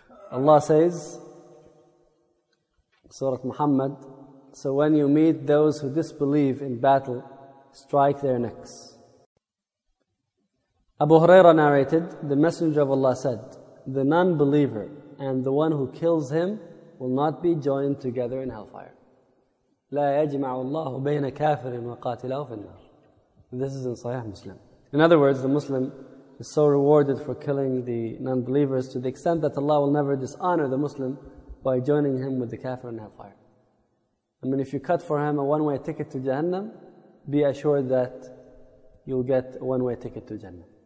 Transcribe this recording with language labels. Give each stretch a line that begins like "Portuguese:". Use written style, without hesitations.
English: Allah says, Surah Muhammad, so when you meet those who disbelieve in battle, strike their necks. Abu Hurairah narrated, the Messenger of Allah said, the non-believer and the one who kills him will not be joined together in hellfire.
Arabic: لا يجمع الله بين كافر وقاتله في النار.
English: This is in Sahih Muslim. In other words, the Muslim is so rewarded for killing the non-believers to the extent that Allah will never dishonor the Muslim by joining him with the kafir in hellfire. I mean, if you cut for him a one-way ticket to Jahannam, be assured that you'll get a one-way ticket to Jannah.